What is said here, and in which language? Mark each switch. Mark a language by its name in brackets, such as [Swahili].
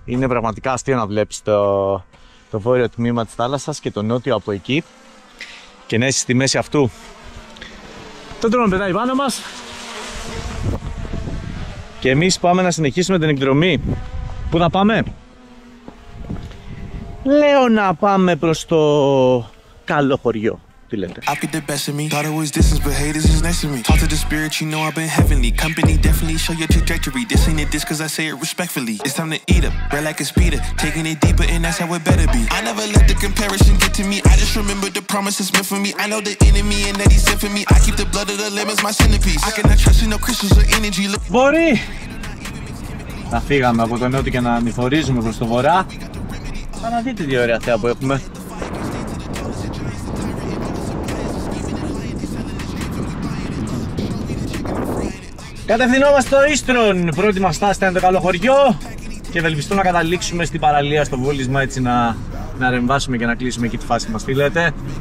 [Greek] Είναι πραγματικά αστείο να βλέπεις το βόρειο τμήμα της θάλασσας και το νότιο από εκεί και να είσαι στη μέση αυτού. Το δρόμο πετάει πάνω μας και εμείς πάμε να συνεχίσουμε την εκδρομή. Πού να πάμε? Λέω να πάμε προς το καλό χωριό. [English] I get the best of me. Thought it was distance, but haters is next to me. Talk to the spirit, you know I've been heavenly. Company definitely show your trajectory. This ain't a diss, cause I say it respectfully. It's time to eat up, red like a speeder. Taking it deeper, and that's how it better be. I never let the comparison get to me. I just remember the promises meant for me. I know the enemy and that he's sent for me. I keep the blood of the lamb as my centerpiece. I cannot trust in no crystals or energy. [Greek] Look, Μπορεί! Να φύγαμε από το νότο και να ανηφορίζουμε προς το βορρά. Να δείτε τι ωραία θέα που έχουμε. Κατευθυνόμαστε στο Ίστρον, πρώτη μας στάση ήταν το καλό χωριό και ευελπιστώ να καταλήξουμε στην παραλία, στο βούλισμα, έτσι να ρεμβάσουμε και να κλείσουμε εκεί τη φάση μας, τι λέτε?